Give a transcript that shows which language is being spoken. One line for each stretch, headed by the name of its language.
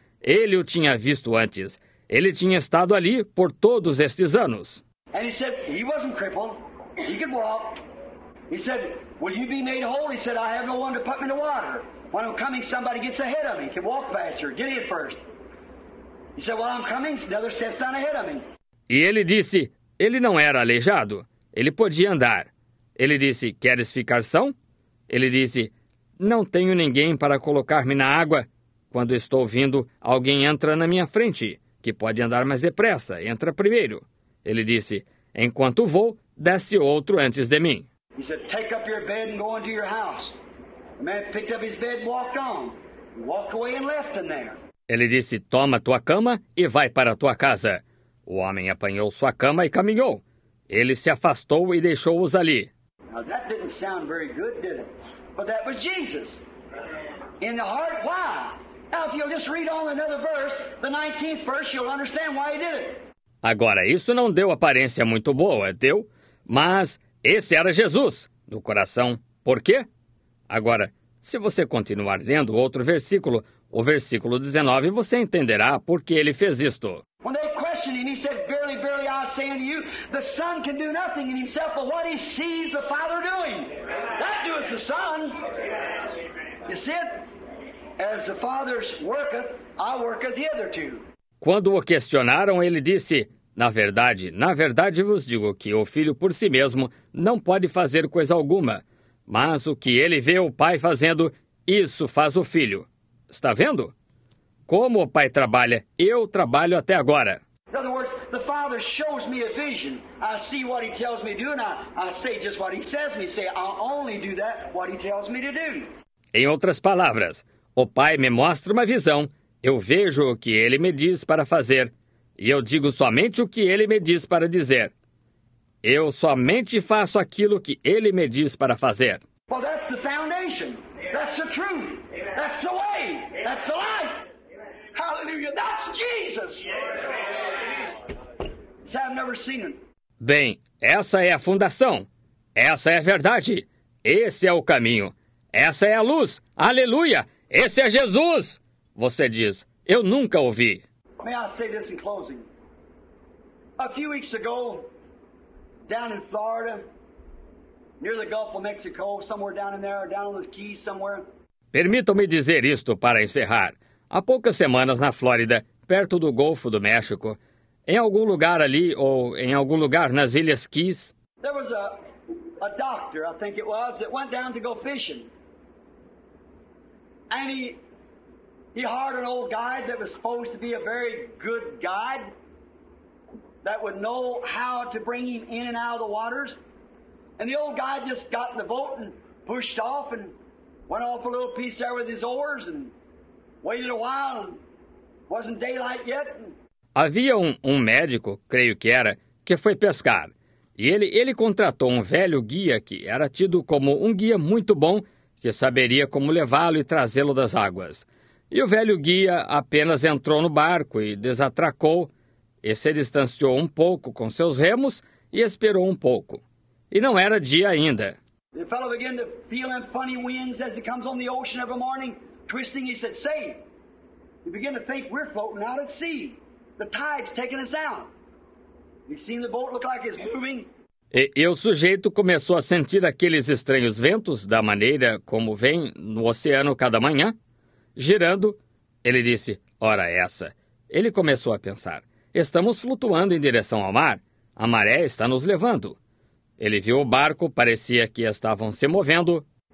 Portuguese: Ele o tinha visto antes. Ele tinha estado ali por todos estes anos.
English: And he said, he wasn't crippled. He could walk. He said, will you be made whole? He said, I have no one to put me in the water. When I'm coming, somebody gets ahead of me. Can walk faster. Get in first. He said, well, I'm coming, the other steps down ahead of me.
Portuguese: E ele disse, ele não era aleijado. Ele podia andar. Ele disse, queres ficar são? Ele disse, não tenho ninguém para colocar-me na água. Quando estou vindo, alguém entra na minha frente, que pode andar mais depressa, entra primeiro. Ele disse, enquanto vou, desce outro antes de mim.
English: He said, take up your bed and go into your house. The man picked up his bed, walked on. Walked away and left him there.
Portuguese: Ele disse, toma tua cama e vai para tua casa. O homem apanhou sua cama e caminhou. Ele se afastou e deixou-os ali.
English: Now that didn't sound very good, did it? But that was Jesus. In the heart, why? Now if you'll just read on another verse, the 19th verse, you'll understand why he did it.
Portuguese: Agora, isso não deu aparência muito boa, deu? Mas esse era Jesus, no coração. Por quê? Agora, se você continuar lendo outro versículo, o versículo 19, você entenderá por que ele fez isto.
English: When they questioned him, he said, verily, verily, I say unto you, the Son can do nothing in himself but what he sees the Father doing. That doeth the Son. You see it? As the Father worketh, I worketh the other two.
Portuguese: Quando o questionaram, ele disse, na verdade vos digo que o Filho por si mesmo não pode fazer coisa alguma, mas o que ele vê o Pai fazendo, isso faz o Filho. Está vendo? Como o Pai trabalha, eu trabalho até agora. Em outras palavras, o
English: Father shows me a vision. I see what he tells me to do, and I say just what he says me. Say, I only do that what he tells me to do.
Portuguese: Em outras palavras, o Pai me mostra uma visão. Eu vejo o que ele me diz para fazer, e eu digo somente o que ele me diz para dizer. Eu somente faço aquilo que ele me diz para fazer.
English: Well, that's the foundation. That's the truth. That's the way. That's the life. Hallelujah. That's Jesus. See, I've never seen him.
Portuguese: Bem, essa é a fundação. Essa é a verdade. Esse é o caminho. Essa é a luz. Aleluia. Esse é Jesus. Você diz, eu nunca ouvi.
English: May I say this in closing? A few weeks ago, down in Florida, near the Gulf of Mexico, somewhere down in there, down on the Keys, somewhere.
Portuguese: Permitam-me dizer isto para encerrar. Há poucas semanas na Flórida, perto do Golfo do México, em algum lugar ali, ou em algum lugar nas Ilhas Keys.
English: There was a doctor, I think it was, that went down to go fishing. And he hired an old guide that was supposed to be a very good guide that would know how to bring him in and out of the waters. And the old guide just got in the boat and pushed off and went off a little piece there with his oars and waited a while and wasn't daylight yet.
Portuguese: Havia um médico, creio que era, que foi pescar. E ele contratou um velho guia que era tido como um guia muito bom, que saberia como levá-lo e trazê-lo das águas. E o velho guia apenas entrou no barco e desatracou, e se distanciou um pouco com seus remos e esperou um pouco. E não era dia ainda.
English: The fellow began to feel funny winds as he comes on the ocean every morning, twisting. He said, "Say, he began to think we're floating out at sea. The tide's taking us out. You seen the boat look like it's moving?"
Portuguese: E o sujeito começou a sentir aqueles estranhos ventos da maneira como vem no oceano cada manhã, girando. Ele disse, "Ora essa." Ele começou a pensar, "Estamos flutuando em direção ao mar. A maré está nos levando." Ele viu o barco, parecia que estavam se movendo.